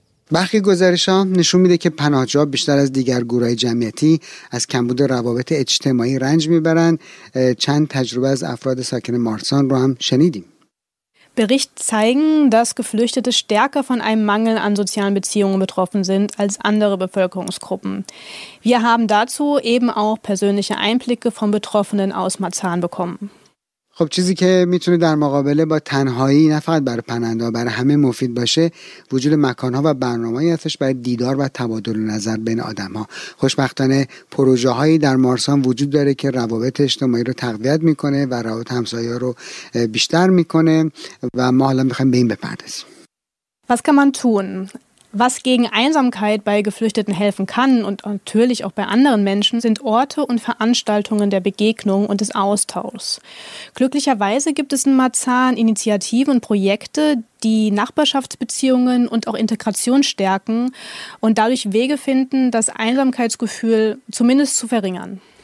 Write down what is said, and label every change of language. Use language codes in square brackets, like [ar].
[fa] برخی گزارش ها نشون میده که پناهجو بیشتر از دیگر گروه های جمعیتی از کمبود روابط اجتماعی رنج میبرن. چند تجربه از افراد ساکن مارسان رو هم شنیدیم. [de] Bericht zeigen, dass Geflüchtete stärker von einem Mangel an sozialen Beziehungen betroffen sind als andere Bevölkerungsgruppen. Wir haben dazu eben auch persönliche Einblicke von Betroffenen aus Mazan bekommen. [fa] خب چیزی که میتونه در مقابله با تنهایی نه فقط برای پناهنده برای همه مفید باشه وجود مکانها و برنامه‌ای هستش برای دیدار و تبادل نظر بین آدم‌ها. خوشبختانه پروژه‌هایی در مارسان وجود داره که روابط اجتماعی رو تقویت می‌کنه و روابط همسایه‌ها رو بیشتر می‌کنه و ما حالا می‌خوایم به این بپردازیم. [de] Was kann man tun? Was gegen Einsamkeit bei Geflüchteten helfen kann und natürlich auch bei anderen Menschen, sind Orte und Veranstaltungen der Begegnung und des Austauschs. Glücklicherweise gibt es in Mazan Initiativen und Projekte, die Nachbarschaftsbeziehungen und auch Integration stärken und dadurch Wege finden, das Einsamkeitsgefühl zumindest zu verringern.